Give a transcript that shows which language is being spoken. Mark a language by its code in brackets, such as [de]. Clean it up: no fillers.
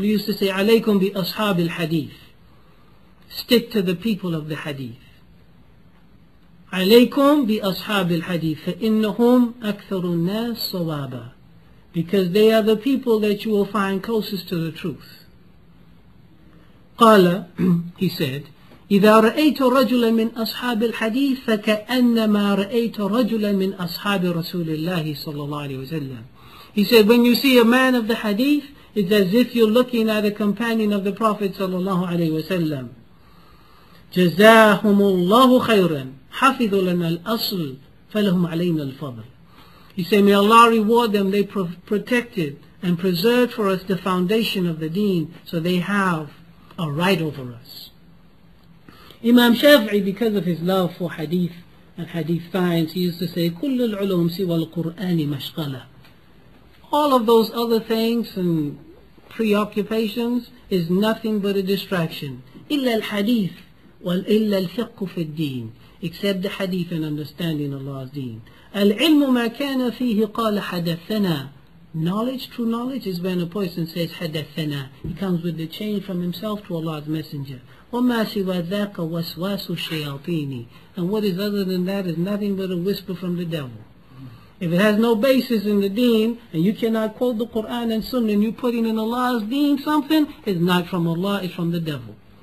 [en] He used to say, [ar] عَلَيْكُمْ بِأَصْحَابِ الْحَدِيثِ. [en] Stick to the people of the hadith. [ar] عَلَيْكُمْ بِأَصْحَابِ الْحَدِيثِ فَإِنَّهُمْ أَكْثَرُ النَّاسِ صَوَابًا. [en] Because they are the people that you will find closest to the truth. [ar] قال, [en] he said, [ar] إذا رأيت رجلا من أصحاب الحديث فكأنما رأيت رجلا من أصحاب رسول الله صلى الله عليه وسلم. [en] He said, when you see a man of the hadith, it's as if you're looking at a companion of the Prophet [ar] صلى الله عليه وسلم. جزاهم الله خيرا حفظوا لنا الأصل فلهم علينا الفضل. [en] He said, may Allah reward them, they protected and preserved for us the foundation of the deen, so they have a right over us. Imam Shafi'i, because of his love for hadith and hadith science, he used to say, [ar] كُلُّ الْعُلُومِ سِوَى الْقُرْآنِ مَشْغَلَ. [en] All of those other things and preoccupations is nothing but a distraction. [ar] إِلَّا الْحَدِيثِ وَإِلَّا الْفِقْهُ فِي الدِّينِ. [en] Except the hadith and understanding Allah's deen. [ar] العلم ما كان فيه قال حدثنا. [en] Knowledge, true knowledge, is when a person says حدثنا. He comes with the chain from himself to Allah's Messenger. [ar] وما سوى ذاك وسواس الشياطين. [en] And what is other than that is nothing but a whisper from the devil. If it has no basis in the deen, and you cannot quote the Qur'an and sunnah, and you're putting in Allah's deen something, it's not from Allah, it's from the devil.